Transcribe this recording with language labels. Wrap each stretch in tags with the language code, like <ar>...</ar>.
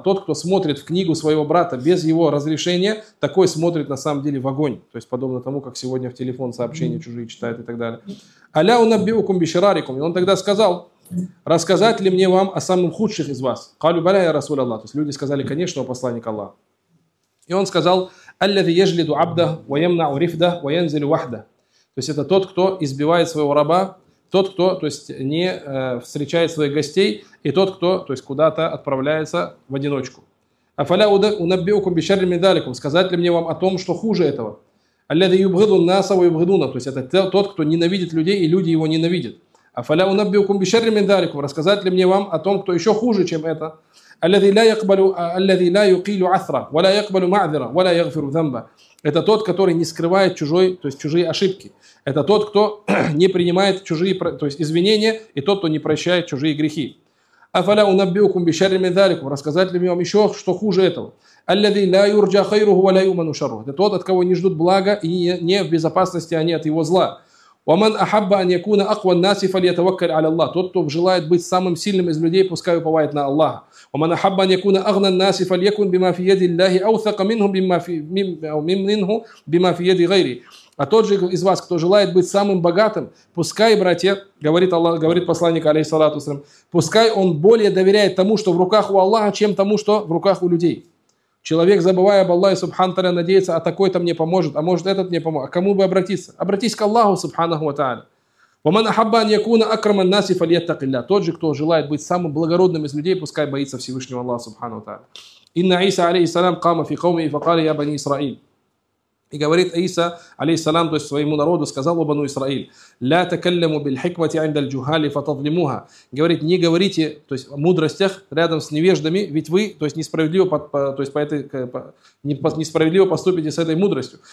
<ru>Тот, кто смотрит в книгу своего брата без его разрешения, такой смотрит на самом деле в огонь. То есть подобно тому, как сегодня в телефон сообщения чужие читают и так далее.</ru> <ar>أَلَا أُنَبِّئُكُمْ بِشِرَارِكُمْ.</ar> <ru>И он тогда сказал, рассказать ли мне вам о самых худших из вас?</ru> <ar>قَالُوا بَلَا يَا رَسُولَ اللَّهِ.</ar> <ru>То есть люди сказали, конечно, о посланник Аллах. И он сказал,</ru> <ar>أَلَّذِي يَجْلِدُ عَبْدَهُ وَيَمْنَعُ رِفْدَهُ وَيَنْزِلُ وَحْدَهُ.</ar> <ru>То есть это тот, кто избивает своего раба, тот, кто, то есть, не встречает своих гостей, и тот, кто, то есть, куда-то отправляется в одиночку.</ru> <ar>Афаля унаббиукум бишарри мин заликум.</ar> <ru>Сказать ли мне вам о том, что хуже этого?</ru> <ar>Аллязи юбгиду ан-наса ва юбгидуна.</ar> <ru>То есть, это тот, кто ненавидит людей, и люди его ненавидят.</ru> <ar>Афаля унаббиукум бишарри мин заликум.</ar> <ru>Рассказать ли мне вам о том, кто еще хуже, чем это?</ru> <ar>Аллязи ла юкилю асра, ва ла якбалю маазира, ва ла ягфиру замба.</ar> <ru>Это тот, который не скрывает чужой, то есть чужие ошибки. Это тот, кто не принимает чужие, то есть извинения, и тот, кто не прощает чужие грехи.</ru> <ar>Афаля унаббиукум бишарри мин заликум.</ar> <ru>Рассказать ли мне вам еще, что хуже этого?</ru> <ar>Аллязи ла юрджа хайруху ва ла юману шарру.</ar> <ru>Это тот, от кого не ждут блага и не в безопасности они от его зла.</ru> <ar>Ва ман ахабба ан якуна акван наси фалитаваккаль аля Аллах.</ar> <ru>Тот, кто желает быть самым сильным из людей, пускай уповает на Аллаха.</ru> <ar>ومن احب ان يكون اغنى الناس فليكن بما في يد الله اوثق منهم بما في منه بما في يد غيره.</ar> <ru>А тот же из вас, кто желает быть самым богатым, пускай, братья, говорит Аллах, говорит посланник алейхиссалату вассалям, пускай он более доверяет тому, что в руках у Аллаха, чем тому, что в руках у людей. Человек, забывая об Аллахе субхана таля, надеется, а такой-то мне поможет, а может этот мне поможет, а кому бы обратиться? Обратись к Аллаху субханаху ва тааля.</ru> <ar>ومن أحب أن يكون أكرم الناس فليتق الله.</ar> <ru>Тот же, кто желает быть самым благородным из людей, пускай боится Всевышнего Аллаха Субхану Тааля.</ru> <ar>Инна Иса алейхи салям кама фи кауми и факали я бани Исраиль.</ar> <ru>И говорит Иса алейхи салям, то есть своему народу, сказал бану Исраиль:</ru> <ar>ля такалляму биль хикмати инда аль-джухали фатадлимуха.</ar> <ru>Говорит: не говорите, то есть, о мудростях рядом с невеждами, ведь вы, то есть, несправедливо, то есть, несправедливо поступите с этой мудростью.</ru>